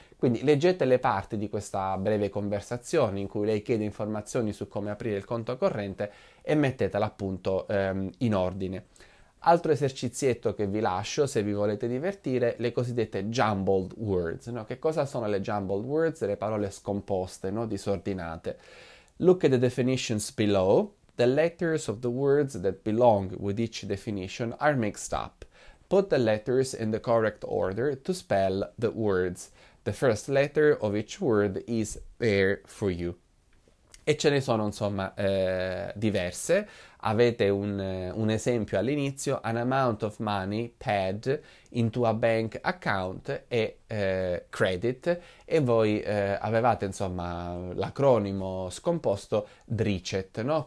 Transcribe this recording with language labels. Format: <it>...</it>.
<it>Quindi leggete le parti di questa breve conversazione in cui lei chiede informazioni su come aprire il conto corrente e mettetela appunto in ordine. Altro esercizietto che vi lascio, se vi volete divertire, le cosiddette jumbled words. No? Che cosa sono le jumbled words? Le parole scomposte, no? Disordinate.</it> <en>Look at the definitions below. The letters of the words that belong with each definition are mixed up. Put the letters in the correct order to spell the words. The first letter of each word is there for you.</en> <it>E ce ne sono, insomma, diverse. Avete un esempio all'inizio:</it> <en>an amount of money paid into a bank account</en> <it>e credit. E voi avevate, insomma, l'acronimo scomposto DRICET, no?</it>